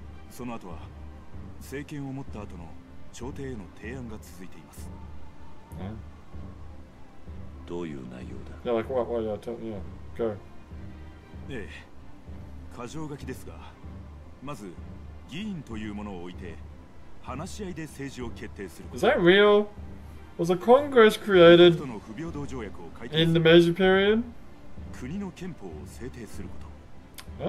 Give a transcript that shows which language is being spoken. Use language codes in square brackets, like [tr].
[ja] その後は政権を持った後の朝廷への提案が続いています。どういう内容だ。 [en] Yeah, like what? Yeah, tell me. Go. [ja] ええ、箇条書きですが、まず議員というものを置いて話し合いで政治を決定する。 [en] Is that real? Was a Congress created in the Meiji period? [ja] 国の憲法を制定すること。